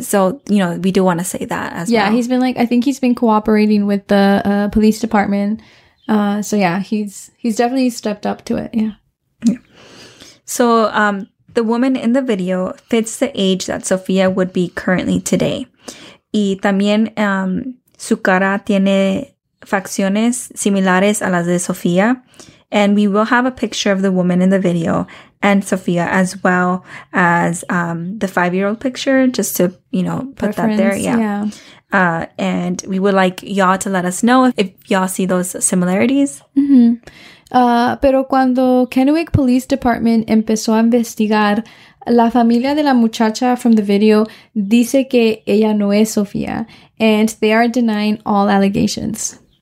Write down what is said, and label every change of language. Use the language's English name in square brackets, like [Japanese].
[English] So, you know, we do want to say that as Yeah, he's been like, I think he's been cooperating with the police department. So yeah, he's definitely stepped up to it. Yeah. So The woman in the video fits the age that Sofía would be currently today. [Spanish] Y también su cara tiene facciones similares a las de Sofía. [English] And we will have a picture of the woman in the video and Sofía as well as the five-year-old picture, just to, you know, put that there. Yeah. And we would like y'all to let us know if y'all see those similarities. [Spanish] Mm-hmm. Pero cuando Kennewick Police Department empezó a investigar, la familia de la muchacha [English] from the video [Spanish] dice que ella no es Sofía, [English] and they are denying all allegations.